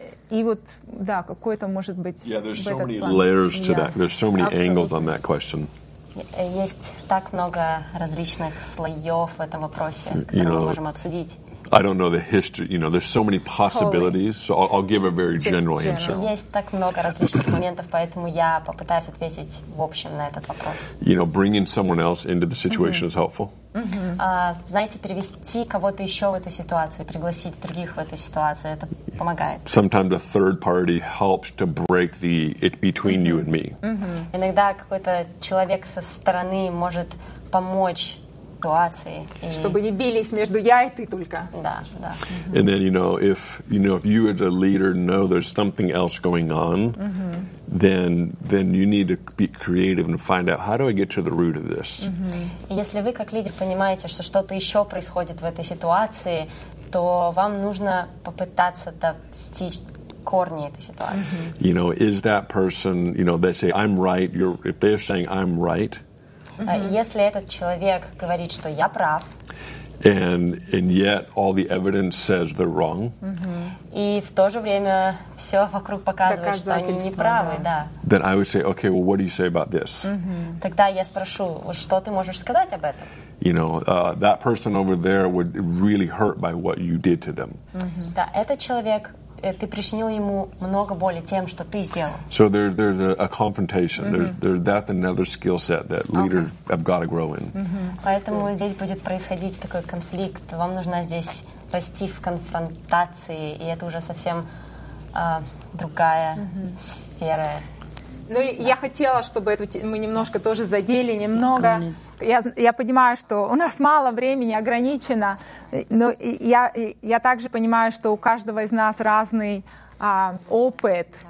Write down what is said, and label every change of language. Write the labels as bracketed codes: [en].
[ru] И вот, да, какое-то может быть... [en] Yeah, there's so many layers to that. There's so many angles on that question. [ru] Есть так много различных слоев в этом вопросе, которые мы можем обсудить. [en] I don't know the history, you know, there's so many possibilities, so I'll give a very general answer. [ru] Есть так много различных моментов, поэтому я попытаюсь ответить в общем на этот вопрос. [en] You know, bringing someone else into the situation is helpful. [ru] Знаете, перевести кого-то еще в эту ситуацию, пригласить других в эту ситуацию, это помогает. [en] Sometimes a third party helps to break the it between you and me. [ru] Иногда какой-то человек со стороны может помочь ситуации. Чтобы не бились между я и ты только. Да, да. [en] And then, you know, if you as a leader know there's something else going on, then you need to be creative and find out, how do I get to the root of this? [ru] Если вы как лидер понимаете, что что-то еще происходит в этой ситуации, то вам нужно попытаться достичь корни этой ситуации. [en] You know, is that person, you know, they say, I'm right, if they're saying, I'm right, [ru] если этот человек говорит, что я прав, [en] and yet all the evidence says they're wrong, [ru] и в то же время все вокруг показывает, что они не правы, да. [en] Then I would say, okay, well, what do you say about this? [ru] Тогда я спрошу, что ты можешь сказать об этом? [en] You know, that person over there would really hurt by what you did to them. [ru] Да, этот человек, ты причинил ему много боли тем, что ты сделал. [en] So there's a confrontation. That's another skill set that leaders have got to grow in. [ru] Поэтому здесь будет происходить такой конфликт. Вам нужно здесь расти в конфронтации, и это уже совсем другая сфера. Ну, я хотела, чтобы эту мы немножко тоже задели немного. Я понимаю, что у нас мало времени, ограничено, но я также понимаю, что у каждого из нас разный опыт.